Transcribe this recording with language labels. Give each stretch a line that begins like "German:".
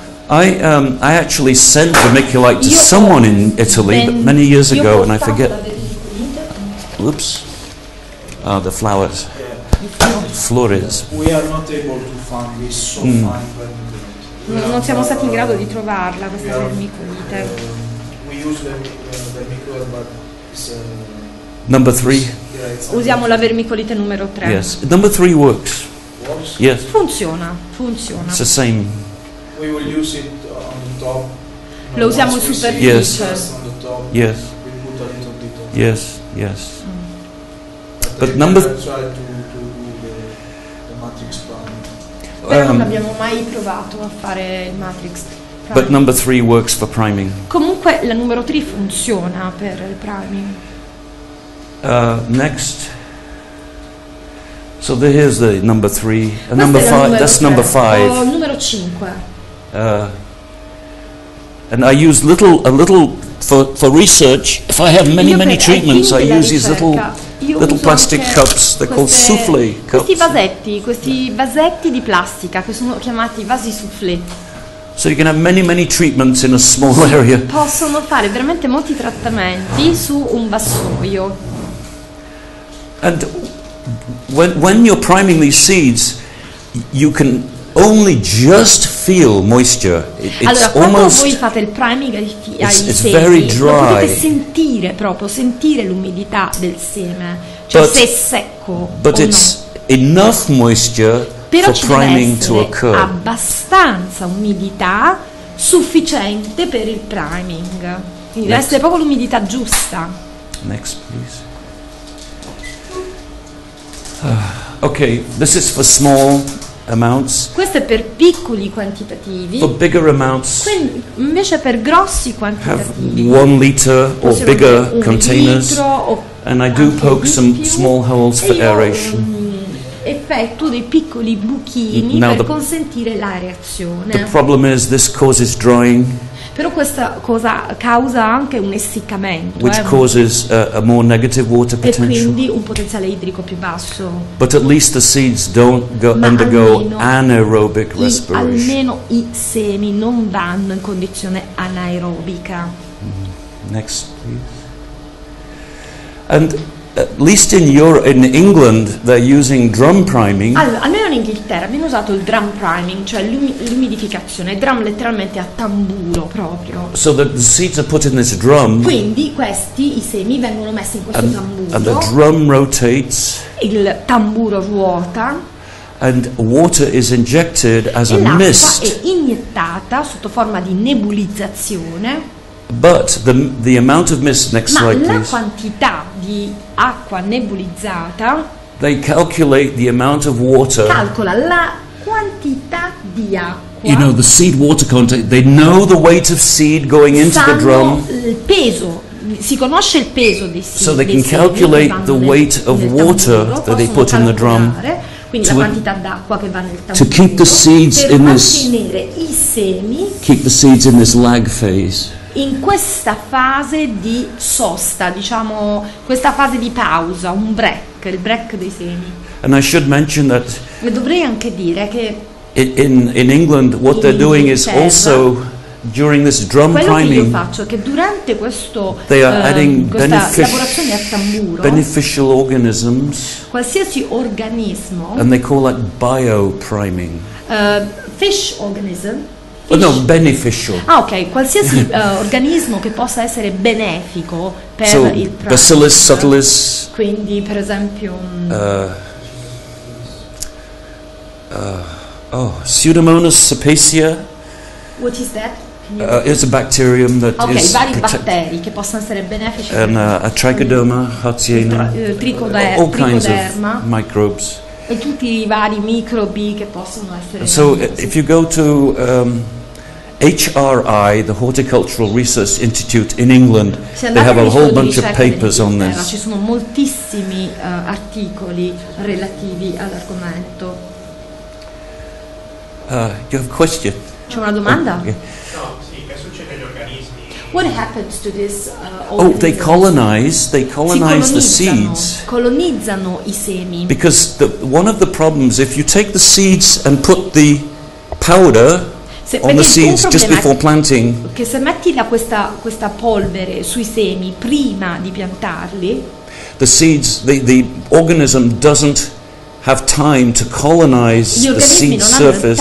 English: I actually sent vermiculite to someone in Italy many years ago and I forget. Oops. Ah, the flowers. Flores. We are not able to find this so fine.
Italian: Non siamo stati in grado di trovarla questa vermiculite.
English: We use vermiculite but it's Number three.
Italian: Usiamo la vermiculite numero 3.
English: Yes, number 3 works. Works. Yes.
Italian: Funziona.
English: It's the same. We will use it on the top.
Italian: Lo usiamo in superficie.
English: Yes. Yes. We put a little bit on. Yes. Yes. But number. Try to do the matrix priming.
Italian: Però non abbiamo mai provato a fare il matrix.
English: Priming. But number 3 works for priming.
Italian: Comunque la numero 3 funziona per il priming.
English: Next, so here's the number 3, number 5, that's number 5,
Italian: numero 5.
English: And I use little for research, if I have many treatments I use these little plastic cups, they're called soufflé cups.
Italian: Questi vasetti di plastica che sono chiamati vasi soufflé.
English: So you can have many treatments in a small area.
Italian: Possono fare veramente molti trattamenti su un vassoio.
English: And when you're priming these seeds, you can only just feel moisture. It's
Italian: allora,
English: almost
Italian: voi fate il priming ai
English: it's,
Italian: ai
English: it's
Italian: semi,
English: very dry.
Italian: Potete sentire proprio sentire l'umidità del seme, cioè
English: but,
Italian: se è secco
English: But
Italian: o
English: it's
Italian: no.
English: enough moisture
Italian: però ci deve essere abbastanza umidità sufficiente per il priming. Quindi deve essere proprio l'umidità giusta.
English: Next, please. Okay, this is for small amounts.
Italian: Questo è per piccoli quantitativi.
English: For bigger amounts.
Italian: Quindi invece per grossi quantitativi.
English: Have 1 liter or bigger containers.
Italian: Un litro o
English: and I do poke some small holes for aeration.
Italian: Effetto dei piccoli buchini
English: now
Italian: per consentire l'aereazione.
English: The problem is this causes drying.
Italian: Però questa cosa causa anche un essiccamento,
English: which causes a more negative water potential.
Italian: E quindi un potenziale idrico più basso.
English: But at least the seeds don't undergo anaerobic respiration.
Italian: Almeno i semi non vanno in condizione anaerobica.
English: Next, please. And at least in Europe, in England, they're using drum priming.
Italian: Allora, almeno in Inghilterra viene usato il drum priming, cioè l'umidificazione. Drum letteralmente a tamburo proprio.
English: So that the seeds are put in this drum.
Italian: Quindi questi i semi vengono messi in questo tamburo.
English: And the drum rotates.
Italian: Il tamburo ruota.
English: And water is injected as
Italian: e
English: a mist.
Italian: L'acqua è iniettata sotto forma di nebulizzazione.
English: But the amount of mist, next
Italian: ma
English: slide
Italian: la
English: please.
Italian: Quantità di acqua nebulizzata,
English: they calculate the amount of water,
Italian: calcola la quantità di acqua,
English: you know, the seed water content, they know the weight of seed going into the drum,
Italian: il peso, si conosce il peso dei seed,
English: so they can calculate the weight of water that they put in the drum,
Italian: quindi la quantità d'acqua che va nel tamburo,
English: to keep the seeds
Italian: per
English: in
Italian: mantenere
English: this,
Italian: i semi,
English: keep the seeds in this lag phase,
Italian: in questa fase di sosta, diciamo, questa fase di pausa, un break, il break dei semi.
English: And I should mention that
Italian: e dovrei anche dire che
English: in England what
Italian: in
English: they're doing is also during this drum priming,
Italian: quello che io faccio è che durante questo
English: they are adding
Italian: lavorazione a tamburo
English: beneficial organisms,
Italian: qualsiasi organismo,
English: and they call that bio priming, fish organism. Oh, no, beneficial.
Italian: Ah, ok, qualsiasi organismo che possa essere benefico per
English: so,
Italian: il prime.
English: Bacillus subtilis.
Italian: Quindi, per esempio,
English: Pseudomonas sapacea. What is that? It's a bacterium that okay, is
Italian: vari batteri che possono essere benefici.
English: And a Trichoderma hatziana. All kinds of microbes.
Italian: E tutti i vari microbi che possono essere.
English: So, if you go to HRI, the Horticultural Research Institute in England, they have a whole bunch of papers on this.
Italian: Ci sono moltissimi articoli relativi all'argomento.
English: You have a question?
Italian: C'è una domanda? No, sì, che succede agli organismi?
English: What happens to this? Oh, they colonize. They colonize the seeds.
Italian: Colonizzano i semi.
English: Because the one of the problems, if you take the seeds and put the powder.
Italian: Se,
English: on the seeds just before planting,
Italian: che se metti la questa polvere sui semi prima di piantarli,
English: the seeds, the organism doesn't have time to colonize the seed surface.